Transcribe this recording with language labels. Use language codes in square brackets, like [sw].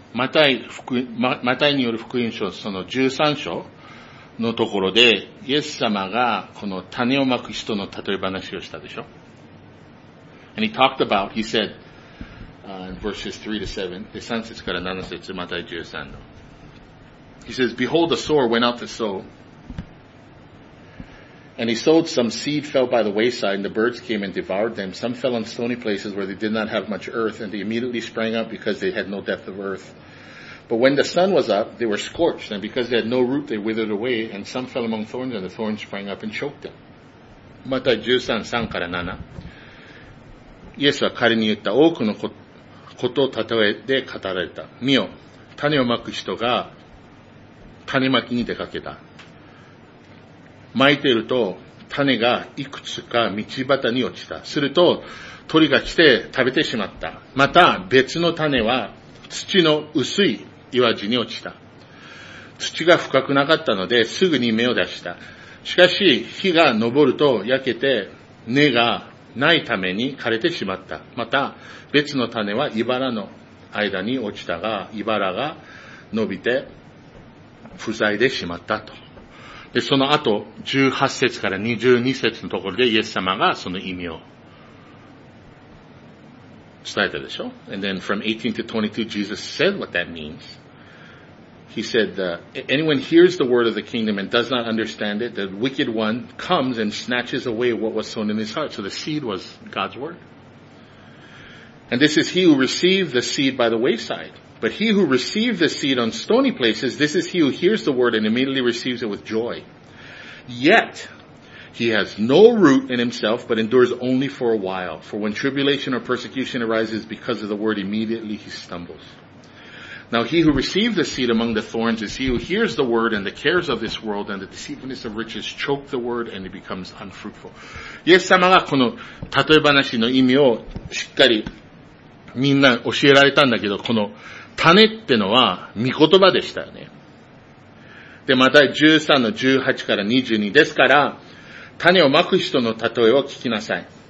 [ja] マタイによる福音書その13章のところで、イエス様がこの種をまく人の例え話をしたでしょ。 [en] And he talked about, he said, in verses 3 to 7, [ja] 3節から7節、マタイ13の。 [en] He says, behold, the sower went out to sow. And he sowed some seed fell by the wayside, and the birds came and devoured them. Some fell on stony places where they did not have much earth, and they immediately sprang up because they had no depth of earth. But when the sun was up, they were scorched, and because they had no root, they withered away, and some fell among thorns, and the thorns sprang up and choked them. [ja] また13、3から7。イエスは彼に言った多くのことを例えで語られた。見よ、種をまく人が種まきに出かけた。まいていると、種がいくつか道端に落ちた。すると、鳥が来て食べてしまった。また、別の種は土の薄い岩地に落ちた。土が深くなかったので、すぐに芽を出した。しかし、火が昇ると焼けて、根がないために枯れてしまった。また別の種は茨の間に落ちたが、茨が伸びて塞いでしまったと。で、その後18節から22節のところでイエス様がその意味を伝えたでしょ。 [en] And then from 18 to 22 Jesus said what that means. He said anyone hears the word of the kingdom and does not understand it, the wicked one comes and snatches away what was sown in his heart. So the seed was God's word. And this is he who received the seed by the wayside. But he who received the seed on stony places, this is he who hears the word and immediately receives it with joy. Yet he has no root in himself, but endures only for a while. For when tribulation or persecution arises because of the word, immediately he stumbles. Now he who received the seed among the thorns is he who hears the word and the cares of this world and the deceitfulness of riches choke the word and it becomes unfruitful. [ja] イエス様がこの例え話の意味をしっかりみんな教えられたんだけど、この種ってのは御言葉でしたよね。で、また13の18から22ですから、種をまく人の例えを聞きなさい。